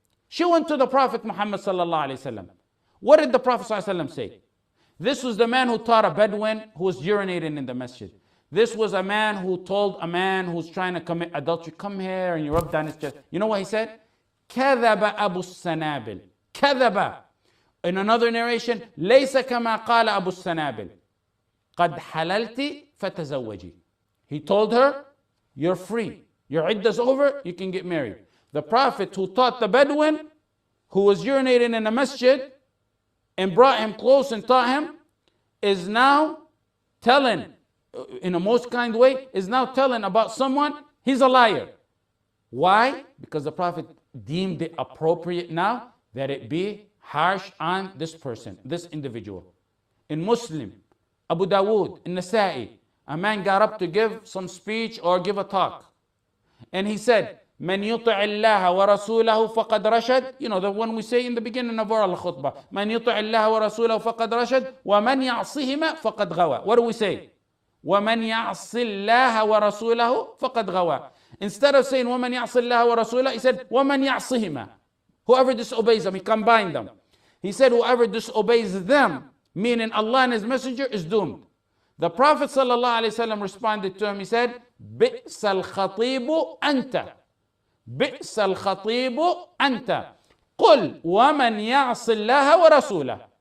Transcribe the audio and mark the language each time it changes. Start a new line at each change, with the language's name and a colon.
English: She went to the Prophet Muhammad sallallahu alaihi wasallam. What did the Prophet sallallahu alaihi wasallam say? This was the man who taught a Bedouin who was urinating in the masjid. This was a man who told a man who's trying to commit adultery, come here and you rub down his chest. You know what he said?
Arabic: Kadhaba Abu Sanabil. Kadhaba.
English: In another narration,
Arabic: لَيْسَ كَمَا قَالَ أَبُو السَّنَابِلِ قَدْ حَلَلْتِ فَتَزَوَّجِ.
English: He told her, you're free. Your iddah's over, you can get married. The Prophet who taught the Bedouin, who was urinating in a masjid, and brought him close and taught him, is now telling, in a most kind way, is now telling about someone, he's a liar. Why? Because the Prophet deemed it appropriate now that it be harsh on this person, this individual. In Muslim, Abu Dawood, in Nasa'i, a man got up to give some speech or give a talk. And he said,
Arabic: من يطع الله ورسوله فقد رشد.
English: You know, the one we say in the beginning of our khutbah.
Arabic: من يطع الله ورسوله فقد رشد ومن يعصيهما فقد غوى.
English: What do we say?
Arabic: ومن يعصي الله ورسوله فقد غوى.
English: Instead of saying,
Arabic: ومن يعصي الله ورسوله,
English: he said,
Arabic: ومن يعصيهما.
English: Whoever disobeys them, he combined them. He said, whoever disobeys them, meaning Allah and His Messenger, is doomed. The Prophet ﷺ responded to him, he said,
Arabic: بِئْسَ الْخَطِيبُ أَنْتَ. بئس الخطيب أنت. قل ومن يعص الله ورسوله.